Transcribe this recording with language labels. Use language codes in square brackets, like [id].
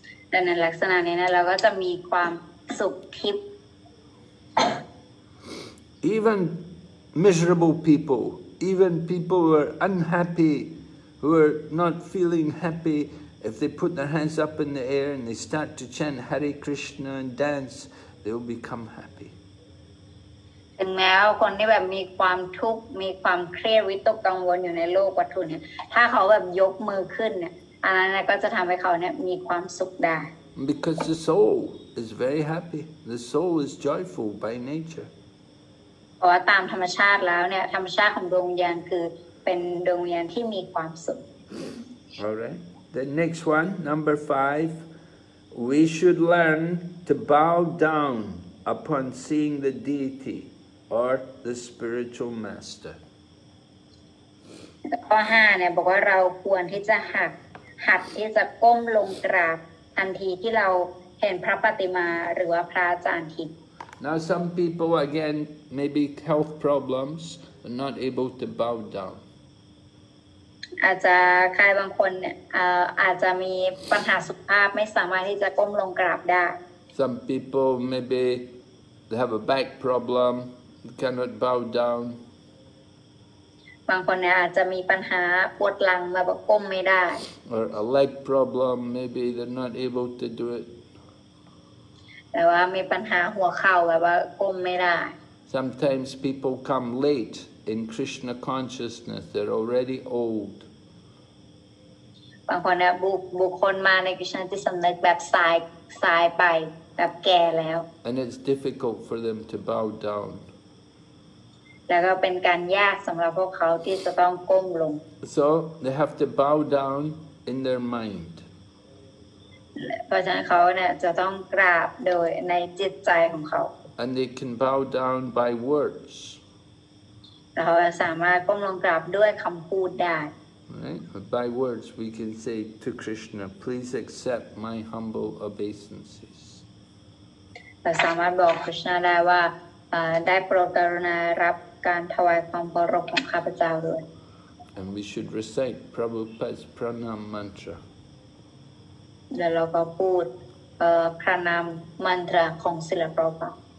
[th] แต่ในลักษณะนี้นะเราก็จะมีความสุขทิพย์ [en] even miserable peopleEven people who are unhappy, who are not feeling happy, if they put their hands up in the air and they start to chant Hare Krishna and dance, they will become happy. [th] ถึงแม้คนที่แบบมีความทุกข์มีความเครียดวิตกกังวลอยู่ในโลกวัตถุเนี่ยถ้าเขาแบบยกมือขึ้นเนี่ยอันนั้นเนี่ยก็จะทำให้เขาเนี่ยมีความสุขได้ [en] Because the soul is very happy. The soul is joyful by nature. [th] เพราะว่าตามธรรมชาติแล้วเนี่ยธรรมชาติของดวงวิญญาณคือเป็นดวงวิญญาณที่มีความสุข [en] Alright. The next one, number 5. We should learn to bow down upon seeing the deity or the spiritual master. [th] ข้อ5เนี่ยบอกว่าเราควรที่จะหัดที่จะก้มลงกราบทันทีที่เราเห็นพระปฏิมาหรือว่าพระอาจารย์ทิพย์ [en] Now some people again maybe health problems are not able to bow down [th] อาจจะใครบางคนเนี่ยอาจจะมีปัญหาสุขภาพไม่สามารถที่จะก้มลงกราบได้ [en] Some people maybe they have a back problem cannot bow down [th] บางคนเนี่ยอาจจะมีปัญหาปวดหลังแบบก้มไม่ได้ [en] or a leg problem maybe they're not able to do it [th] แต่ว่ามีปัญหาหัวเข่าแบบว่าก้มไม่ได้ [en] sometimes people come late in Krishna consciousness they're already old [th] บางคนเนี่ยบุคคลมาในคริสตจิตสำนึกแบบสายไปแบบแก่แล้ว [en] and it's difficult for them to bow down [th] แล้วก็เป็นการยากสำหรับพวกเขาที่จะต้องก้มลง [en] so they have to bow down in their mind [th] เพราะฉะนั้นเขาเนี่ยจะต้องกราบโดยในจิตใจของเขา [en] and they can bow down by words [th] เราสามารถก้มลงกราบด้วยคำพูดได้ [en] right by words we can say to Krishna please accept my humble obeisances [th] เราสามารถบอกคริสต์นาได้ว่าได้โปรดกรุณารับการถวายความเคารพของข้าพเจ้าด้วย [en] And we should recite Prabhupada's pranam mantra. [th] เดี๋ยวเราก็พูดพระนามมันตราของศิลปะ